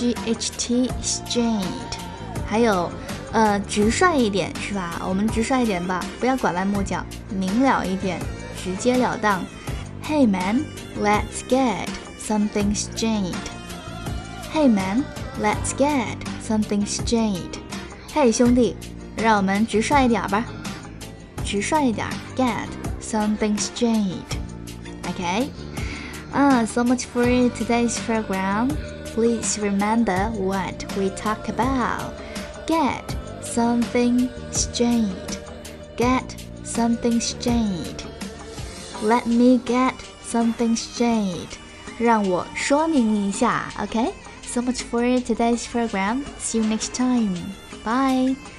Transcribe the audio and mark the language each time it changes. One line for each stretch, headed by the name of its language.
Chinese: straight, straight, 还有直率一点是吧，我们直率一点吧，不要拐弯抹角，明了一点，直接了当。
English: Hey man, let's get something straight. Hey man, let's get something straight.
Chinese: Hey 兄弟，让我们直率一点吧，直率一点，
English: get something straight. OK? So much for today's program. Please remember what we talk about. Get something straight. Get something straight. Let me get something straight.
Chinese: 让我说明一下
English: OK? So much for today's program. See you next time. Bye.